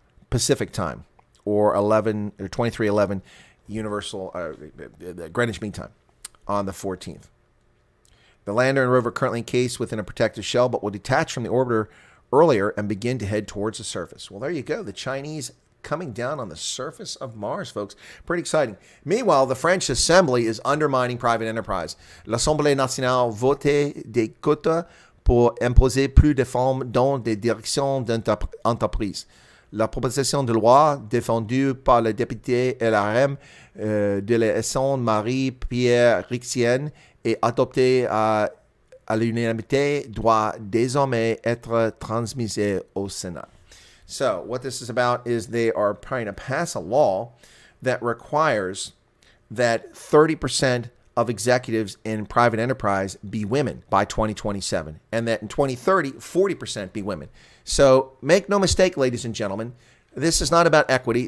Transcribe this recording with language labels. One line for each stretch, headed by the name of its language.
English: Pacific time, or 23:11 Universal Greenwich Mean Time on the 14th. The lander and rover currently encased within a protective shell, but will detach from the orbiter earlier and begin to head towards the surface. Well, there you go. The Chinese coming down on the surface of Mars, folks. Pretty exciting. Meanwhile, the French Assembly is undermining private enterprise.
French: L'Assemblée nationale vote des quotas pour imposer plus de femmes dans les directions d'entreprises. La proposition de loi défendue par le député LRM de l'Assemblée Marie-Pierre Rixienne et adoptée à l'unanimité doit désormais être transmise au Sénat.
English: So what this is about is they are trying to pass a law that requires that 30% of executives in private enterprise be women by 2027, and that in 2030, 40% be women. So make no mistake, ladies and gentlemen, this is not about equity.